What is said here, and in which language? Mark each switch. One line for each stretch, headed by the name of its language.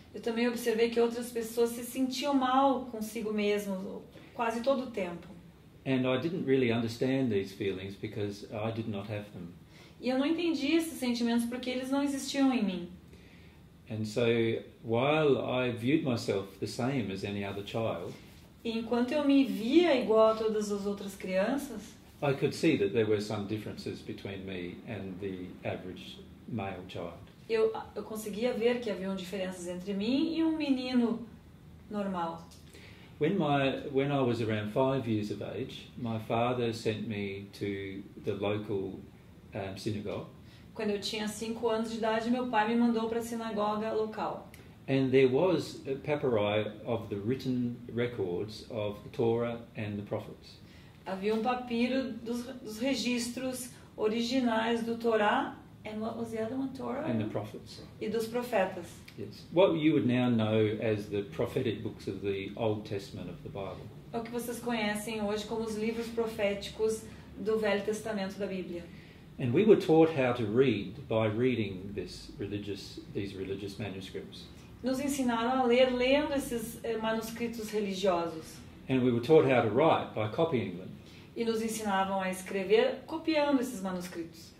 Portuguese: Eu também observei que outras pessoas se sentiam mal consigo mesmo quase todo o tempo.
English: And I didn't really understand these feelings because I did not have them.
Portuguese: E eu não entendi esses sentimentos porque eles não existiam em mim.
English: And so, while I viewed myself the same as any other child,
Portuguese: e enquanto eu me via igual a todas as outras crianças,
English: I could see that there were some differences between me and the average male child.
Portuguese: Eu conseguia ver que haviam diferenças entre mim e um menino normal.
English: When I was around 5 years of age, my father sent me to the local synagogue.
Portuguese: Quando eu tinha 5 anos de idade, meu pai me mandou para a sinagoga local.
English: And there was a papyri of the written records of the Torah and the prophets.
Portuguese: Havia um papiro dos registros originais do Torá.
English: And what was the other one? Torah? And the prophets.
Portuguese: E dos profetas.
English: Yes. What you would now know as the prophetic books of the Old Testament of the Bible.
Portuguese: É o que vocês conhecem hoje como os livros proféticos do Velho Testamento da Bíblia.
English: And we were taught how to read by reading these religious manuscripts.
Portuguese: Nos ensinaram a ler lendo esses manuscritos religiosos.
English: And we were taught how to write by copying them.
Portuguese: E nos ensinavam a escrever copiando esses manuscritos.